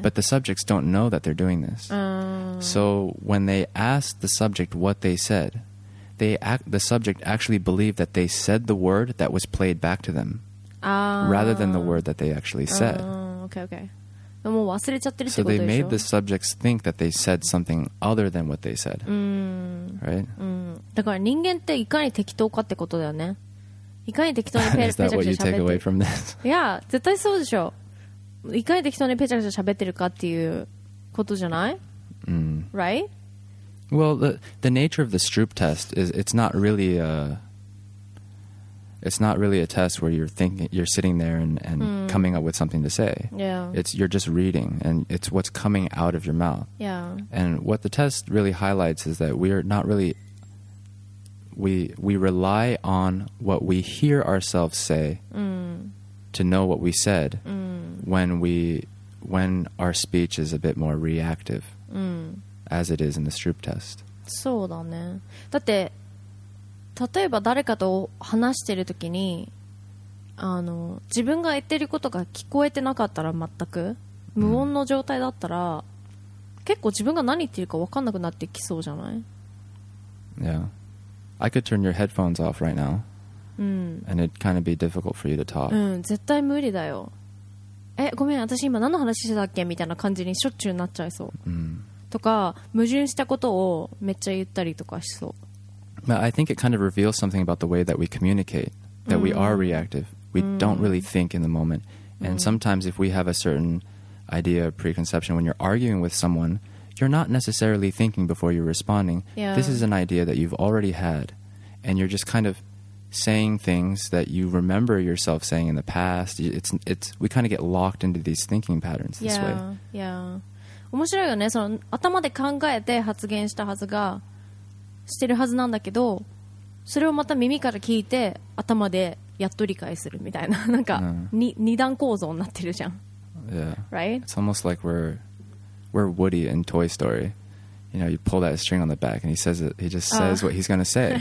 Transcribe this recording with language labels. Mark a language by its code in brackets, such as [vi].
[en] But the subjects don't know that they're doing this. So when they ask the subject what they said... The subject actually believed that they said the word that was played back to them rather than the word that they actually said. Okay. So they made the subjects think that they said something other than what they said. Right? [ja] だから人間っていかに適当かってことだよね。いかに適当にペチャクチャ [en] Is that what you take away from this? [ja] Yeah, 絶対そうでしょ。いかに適当にペチャクチャ喋ってるかっていうことじゃない? [en] Right? Well, the nature of the Stroop test is it's not really a test where you're thinking, you're sitting there and coming up with something to say. Yeah. It's, you're just reading and it's what's coming out of your mouth. Yeah. And what the test really highlights is that we're not really, we rely on what we hear ourselves say to know what we said when our speech is a bit more reactive. As it is in the Stroop test. [ja] そうだね。だって例えば誰かと話してるときに、あの自分が言ってることが聞こえてなかったら全く無音の状態だったら、結構自分が何言ってるか分かんなくなってきそうじゃない [en] ？Yeah, I could turn your headphones off right now. And it'd kind of be difficult for you to talk. [ja] 絶対無理だよ。え、ごめん、私今何の話してたっけみたいな感じにしょっちゅうなっちゃいそう。とか矛盾したことをめっちゃ言ったりとかしそう。 [en] But I think it kind of reveals something about the way that we communicate, that we are reactive. We don't really think in the moment. And sometimes if we have a certain idea or preconception, when you're arguing with someone, you're not necessarily thinking before you're responding. Yeah. This is an idea that you've already had. And you're just kind of saying things that you remember yourself saying in the past. We kind of get locked into these thinking patterns this way. Yeah. [ja] 面白いよね。その頭で考えて発言したはずがしてるはずなんだけど、それをまた耳から聞いて頭でやっと理解するみたいな、なんか二段構造になってるじゃん。 [en] Yeah. Right? It's almost like we're Woody in Toy Story. You know, you pull that string on the back and he just says what he's gonna say.